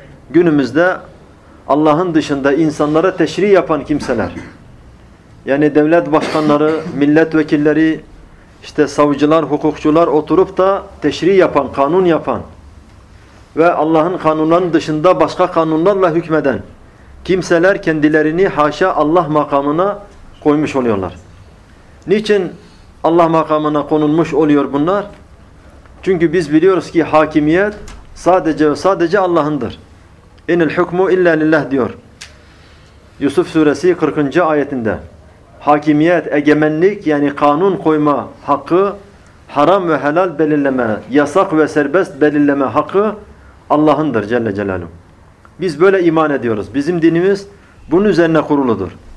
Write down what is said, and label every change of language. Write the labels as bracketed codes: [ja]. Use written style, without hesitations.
[tr] Günümüzde Allah'ın dışında insanlara teşri yapan kimseler, yani devlet başkanları, milletvekilleri, işte savcılar, hukukçular oturup da teşri yapan, kanun yapan ve Allah'ın kanunlarının dışında başka kanunlarla hükmeden kimseler kendilerini haşa Allah makamına koymuş oluyorlar. Niçin Allah makamına konulmuş oluyor bunlar? Çünkü biz biliyoruz ki hakimiyet sadece ve sadece Allah'ındır. [ar] اِنِ الْحُكْمُ اِلَّا لِلَّهِ [tr] diyor. Yusuf suresi 40. ayetinde. Hakimiyet, egemenlik yani kanun koyma hakkı, haram ve helal belirleme, yasak ve serbest belirleme hakkı Allah'ındır Celle Celaluhu. Biz böyle iman ediyoruz. Bizim dinimiz bunun üzerine kuruludur.